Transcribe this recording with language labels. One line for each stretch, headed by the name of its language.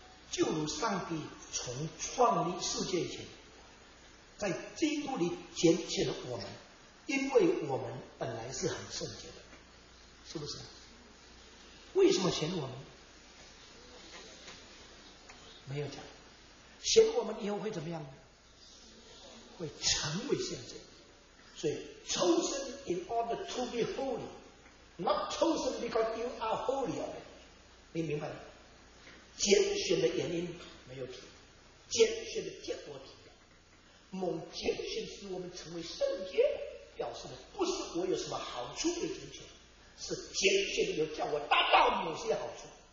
Chinese: 就如上帝从创立世界以前，在基督里拣选了我们，因为我们本来是很圣洁的，是不是？为什么选我们？没有讲，选我们以后会怎么样呢？会成为圣洁。
English: 所以 chosen in order to be holy, not chosen because you are holy of it.
Chinese: 你明白吗？拣选的原因没有提，拣选的结果提的。蒙拣选使我们成为圣洁，表示的不是我有什么好处被拣选，是拣选有叫我达到某些好处。